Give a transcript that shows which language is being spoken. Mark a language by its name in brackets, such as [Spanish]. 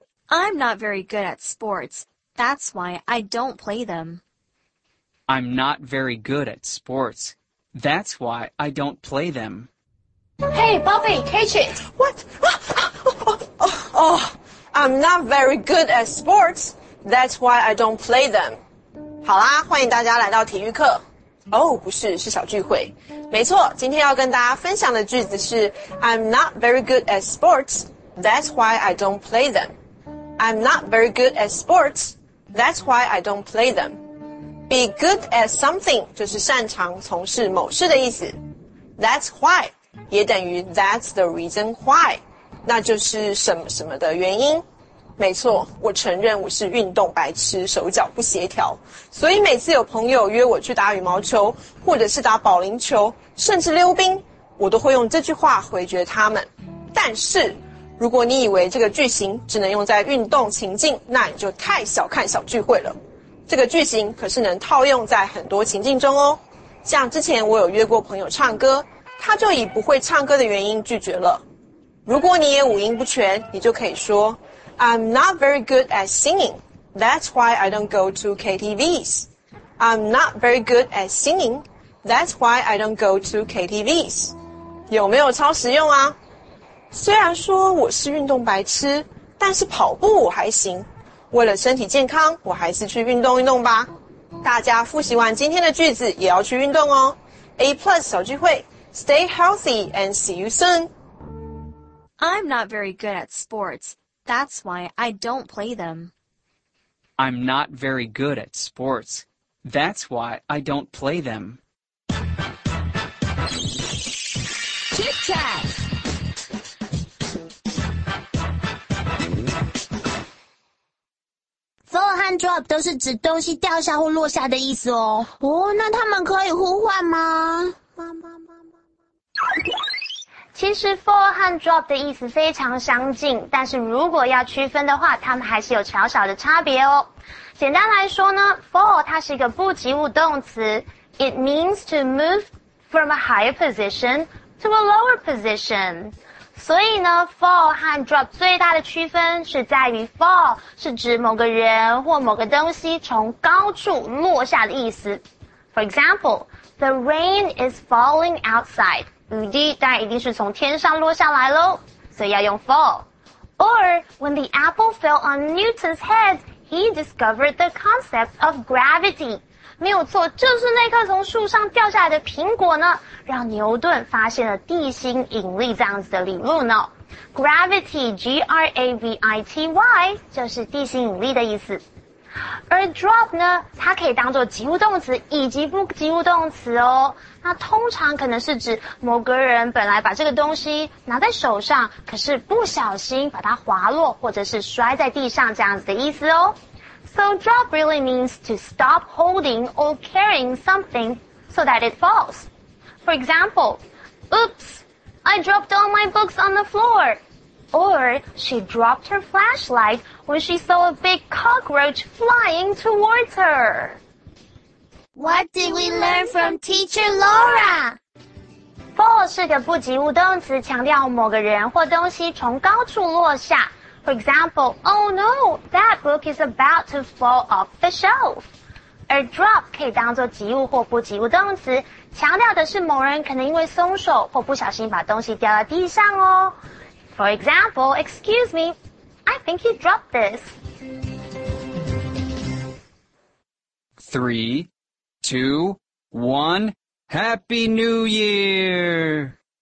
[English] I'm not very good at sports. That's why I don't play them. I'm not very good at sports. That's why I don't play them. Hey, Bobby, catch it! What? I'm not very good at sports. That's why I don't play them. [Chinese] 好啦，欢迎大家来到体育课。哦，不是，是小聚会。没错，今天要跟大家分享的句子是 [English] I'm not very good at sports. That's why I don't play them. I'm not very good at sports, that's why I don't play them. Be good at something [Chinese] 就是擅长从事某事的意思。 [English] That's why [Chinese] 也等于 [English] that's the reason why, [Chinese] 那就是什么什么的原因。没错，我承认我是运动白痴，手脚不协调，所以每次有朋友约我去打羽毛球，或者是打保龄球，甚至溜冰，我都会用这句话回绝他们。但是如果你以为这个句型只能用在运动情境，那你就太小看小聚会了。这个句型可是能套用在很多情境中哦。像之前我有约过朋友唱歌，他就以不会唱歌的原因拒绝了。如果你也五音不全，你就可以说 [English] I'm not very good at singing. That's why I don't go to KTVs. I'm not very good at singing. That's why I don't go to KTVs. [Chinese] 有没有超实用啊？虽然说我是运动白痴，但是跑步我还行。为了身体健康，我还是去运动运动吧。大家复习完今天的句子，也要去运动哦。 [English] A plus 小聚会 ，Stay healthy and see you soon. I'm not very good at sports. That's why I don't play them. I'm not very good at sports. That's why I don't play them. Tic Tac. [Chinese] Fall and drop 都是指东西掉下或落下的意思哦。哦，那他们可以互换吗？其实 fall and drop 的意思非常相近，但是如果要区分的话，他们还是有小小的差别哦。简单来说呢 ，fall 它是一个不及物动词 ， [English] it means to move from a higher position to a lower position。 [Chinese] 所以呢 ,fall 和 drop 最大的区分是在于 fall 是指某个人或某个东西从高处落下的意思。 [English] For example, the rain is falling outside. [Chinese] 雨滴当然一定是从天上落下来咯。所以要用 fall. [English] Or, when the apple fell on Newton's head, he discovered the concept of gravity. [Chinese] 没有错，就是那颗从树上掉下来的苹果呢。让牛顿发现了地心引力这样子的理论哦。 Gravity, G-R-A-V-I-T-Y, 就是地心引力的意思。而 drop 呢，它可以当作及物动词以及不及物动词哦。那通常可能是指某个人本来把这个东西拿在手上，可是不小心把它滑落或者是摔在地上这样子的意思哦。 [English] So drop really means to stop holding or carrying something so that it falls. For example, oops, I dropped all my books on the floor. Or she dropped her flashlight when she saw a big cockroach flying towards her. What did we learn from teacher Laura? [Chinese] Fall 是个不及物动词，强调某个人或东西从高处落下。 [English] For example, oh no, that book is about to fall off the shelf. [Chinese] 而 drop 可以当作及物或不及物动词强调的是某人可能因为松手或不小心把东西掉在地上哦。 [English] For example, excuse me, I think you dropped this. 3, 2, 1, Happy New Year!